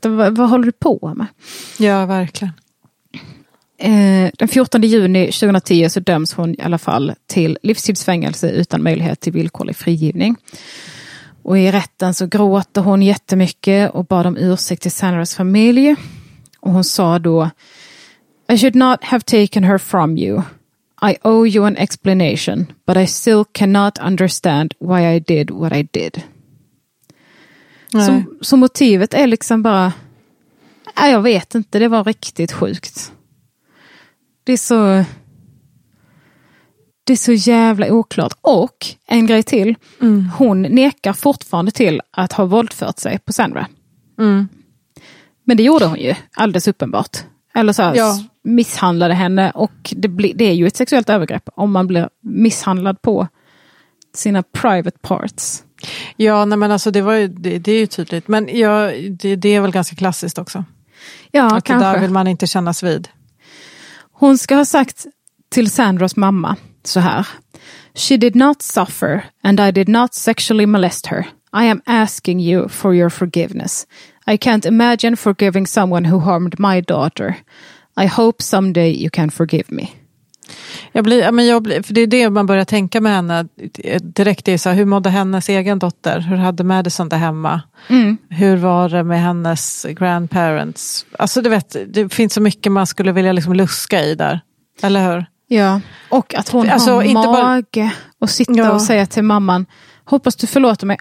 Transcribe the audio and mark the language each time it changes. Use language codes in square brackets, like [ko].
[sv] Vad håller du på med? Ja, verkligen. Den 14 juni 2010 så döms hon i alla fall till livstidsfängelse utan möjlighet till villkorlig frigivning. Och i rätten så gråter hon jättemycket och bad om ursäkt till Sandras familj. Och hon sa då, [en] I should not have taken her from you. I owe you an explanation, but I still cannot understand why I did what I did. [sv] Så motivet är liksom bara, nej, jag vet inte, det var riktigt sjukt. Det är så jävla oklart. Och en grej till, hon nekar fortfarande till att ha våldfört sig på Sandra. Mm. Men det gjorde hon ju, alldeles uppenbart. Eller så här, ja. Misshandlade henne och det är ju ett sexuellt övergrepp om man blir misshandlad på sina [en] private parts. [sv] Ja, nej men alltså det är ju tydligt. Men ja, det är väl ganska klassiskt också. Ja, att kanske. Där vill man inte kännas vid. Hon ska ha sagt till Sandras mamma så här. [en] She did not suffer and I did not sexually molest her. I am asking you for your forgiveness. I can't imagine forgiving someone who harmed my daughter. I hope someday you can forgive me. [sv] För det är det man börjar tänka med henne direkt. Det är så här, hur mådde hennes egen dotter? Hur hade Madison det hemma? Mm. Hur var det med hennes grandparents? Alltså du vet, det finns så mycket man skulle vilja liksom luska i där. Eller hur? Ja, och att hon alltså, har inte mage och sitta och säga till mamman, hoppas du förlåter mig.